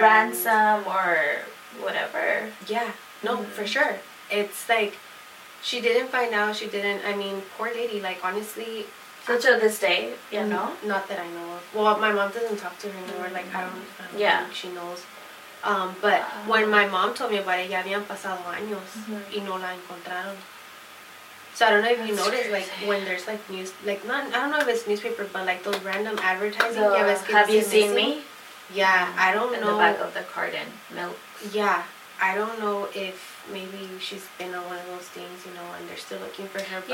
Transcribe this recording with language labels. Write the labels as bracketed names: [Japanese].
[English] Ransom or whatever. Yeah. No, mm-hmm. for sure. It's like, she didn't find out. She didn't... I mean, poor lady. Like, honestly... So to this day, you know? Not that I know of. Well, my mom doesn't talk to her anymore. Like, I don't think she knows. But when my mom told me about it, [Spanish] ya habían pasado años, mm-hmm. y no la encontraron. [English] So I don't know if that's you noticed, crazy. Like, when there's, like, news, like, not, I don't know if it's newspaper, but, like, those random advertising. So, have you seen me? Yeah, mm-hmm. I don't in know. In the back of the carton, milk. Yeah, I don't know if maybe she's been on one of those things, you know, and they're still looking for her.